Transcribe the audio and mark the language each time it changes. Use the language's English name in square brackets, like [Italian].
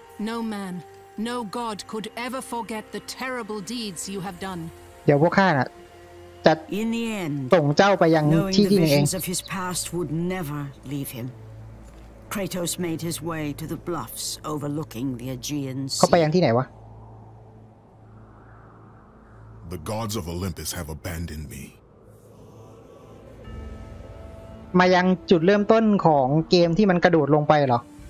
[English] no man no god could ever forget the terrible deeds you have done [Thai] เดี๋ยวพวกข้าน่ะจะส่งเจ้าไปยังที่ที่หนึ่งเอง [English] of his past would never leave himKratos made his way to the bluffs overlooking the Aegean Sea. [Thai] เขาไปยังที่ไหนวะ [English] The gods of Olympus have abandoned me. [Thai] มายังจุดเริ่มต้นของเกมที่มันกระโดดลงไปเหรอ